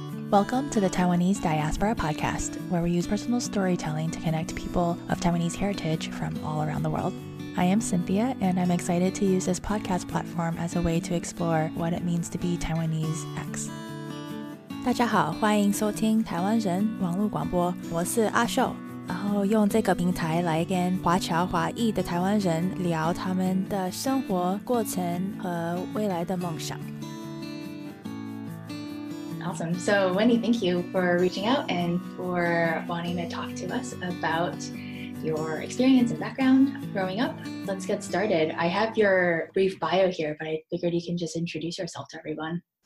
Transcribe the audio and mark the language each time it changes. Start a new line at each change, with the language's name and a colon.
English: Welcome to the Taiwanese Diaspora Podcast, where we use personal storytelling to connect people of Taiwanese heritage from all around the world. I am Cynthia, and I'm excited to use this podcast platform as a way to explore what it means to be Taiwanese X.
Chinese: 大家好，欢迎收听台湾人网络广播，我是阿秀。然后用这个平台来跟华侨华裔的台湾人聊他们的生活过程和未来的梦想。
English: Awesome. So, Wendy, thank you for reaching out and for wanting to talk to us about your experience and background growing up. Let's get started. I have your brief bio here, but I figured you can just introduce yourself to everyone.